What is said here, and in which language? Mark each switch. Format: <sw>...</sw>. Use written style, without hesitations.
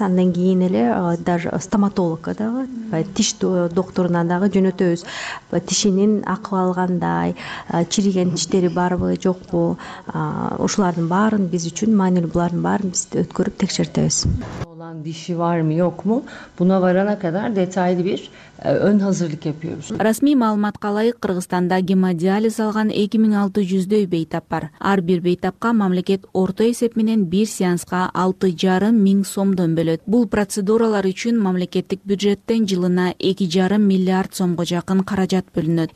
<ky>Андан кийин эле даже стоматологко дагы, тиш докторуна дагы жөнөтөбүз. Тишинин акыбалы кандай, чириген тиштери барбы, жокпу, ушулардын баарын биз үчүн маанилүү, булардын баарын биз өткөрүп текшертебиз.</ky> <tr>Olan dişi var mı yok mu? Buna varana kadar detaylı bir ön hazırlık yapıyoruz.</tr> <ky>Расмий маалыматка ылайык, Кыргызстанда гемодиализ алган 2600 бейтап бар. Ар бир бейтапка мамлекет орто эсеп менен бир сеанска 6,500 сомдон бөлөт. Бул процедуралар үчүн мамлекеттик бюджеттен жылына 2,5 миллиард сомго жакын каражат бөлүнөт.</ky>